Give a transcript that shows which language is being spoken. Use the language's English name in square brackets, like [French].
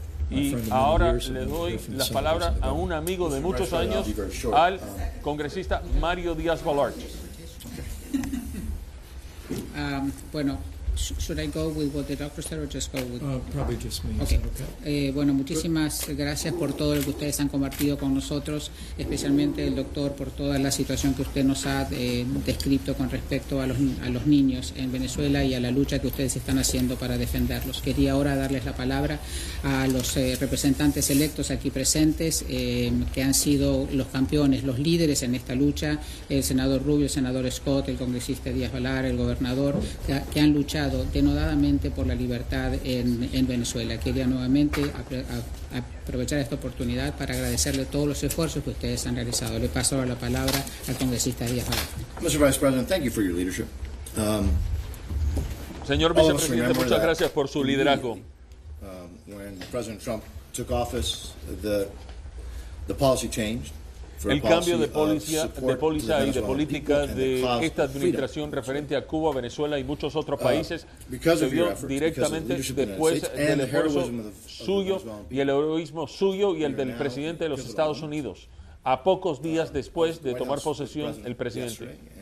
[Spanish] Y ahora le doy la palabra a un amigo de muchos años, al congresista Mario Díaz-Balart. [English] Bueno, should I go with what the doctor said or just go with? Probably just me. Okay. Okay. [Spanish] Bueno, muchísimas gracias por todo lo que ustedes han compartido con nosotros, especialmente el doctor por toda la situación que usted nos ha descrito con respecto a los niños en Venezuela y a la lucha que ustedes están haciendo para defenderlos. Quería ahora darles la palabra a los representantes electos aquí presentes, que han sido los campeones, los líderes en esta lucha, el senador Rubio, el senador Scott, el congresista Díaz-Balart, el gobernador, que han luchado denodadamente por la libertad en Venezuela. Quería nuevamente aprovechar esta oportunidad para agradecerle todos los esfuerzos que ustedes han realizado. Le paso ahora la palabra al congresista Díaz-Balart. [English] Mr. Vice President, thank you for your leadership. [Spanish] Señor vicepresidente, muchas gracias por su liderazgo. [English] When President Trump took office, the policy changed. [Spanish] El cambio de póliza y de políticas de esta administración referente a Cuba, Venezuela y muchos otros países se vio directamente después del esfuerzo suyo y el heroísmo suyo y el del presidente de los Estados Unidos, a pocos días después de tomar posesión el presidente.